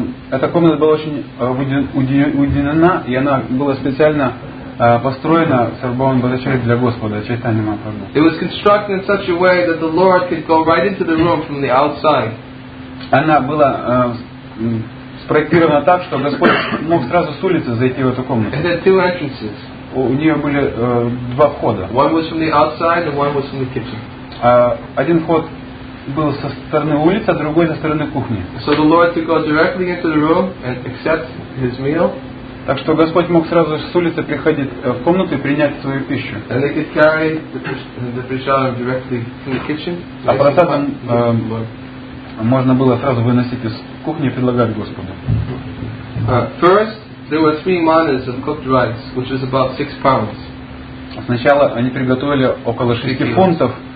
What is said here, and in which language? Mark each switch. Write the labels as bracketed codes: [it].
[ru] Эта комната была очень уединена, и она была специально построена Сарвабхаума Бхаттачарья для Господа Чайтанья Махапрабху. [en] It was constructed in such a way that the Lord could go right into the room from the outside. [ru] Она была спроектировано так, что Господь мог сразу с улицы зайти в эту комнату. [en] It had two entrances. [ru] У нее были два входа. [en] One was from the outside and one was from the kitchen. [ru] Один вход был со стороны улицы, а другой со стороны кухни. [en] So the Lord could go directly into the room and accept his meal. [ru] Так что Господь мог сразу с улицы приходить в комнату и принять свою пищу. [en] And they could carry the prasadam directly from the kitchen. [ru] А прасадам можно было сразу выносить из кухни и предлагать Господу. [en] First, there were three manas of cooked rice, which was about 6 pounds. [ru] Сначала они приготовили около 6 фунтов.